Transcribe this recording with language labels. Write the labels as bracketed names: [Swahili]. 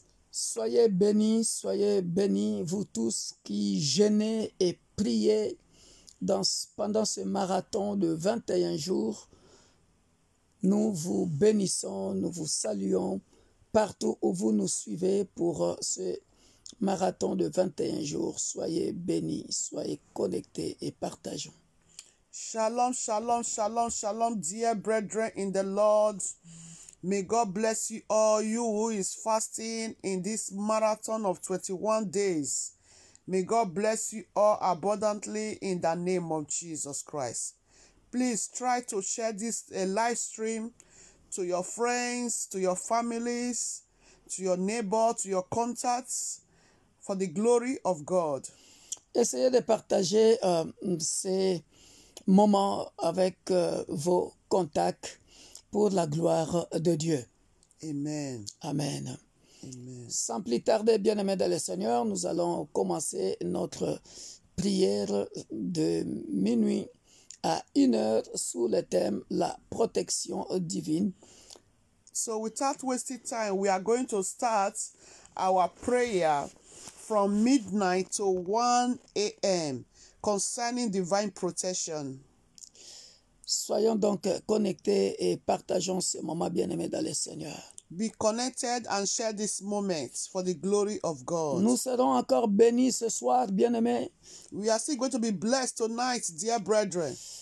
[French] Soyez bénis, vous tous qui jeûnez et priez pendant ce marathon de 21 jours. Nous vous bénissons, nous vous saluons partout où vous nous suivez pour ce marathon de 21 jours. Soyez bénis, soyez connectés et partageons. [English] Shalom, shalom, shalom, shalom, dear brethren in the Lord. May God bless you all, you who is fasting in this marathon of 21 days. May God bless you all abundantly in the name of Jesus Christ. Please try to share this live stream to your friends, to your families, to your neighbor, to your contacts, for the glory of God. [French] Essayez de partager ces moment avec vos contacts pour la gloire de Dieu. Amen. Amen. Amen. Sans plus tarder, bien-aimés dans le Seigneur, nous allons commencer notre prière de minuit à 1h sous le thème la protection divine. [English] So without wasting time, we are going to start our prayer from midnight to 1 a.m. concerning divine protection. [French] Soyons donc connectés et partageons ce moment bien-aimé dans le Seigneur. [English] Be connected and share this moment for the glory of God. [French] Nous serons encore bénis ce soir, bien-aimés. [English] We are still going to be blessed tonight, dear brethren.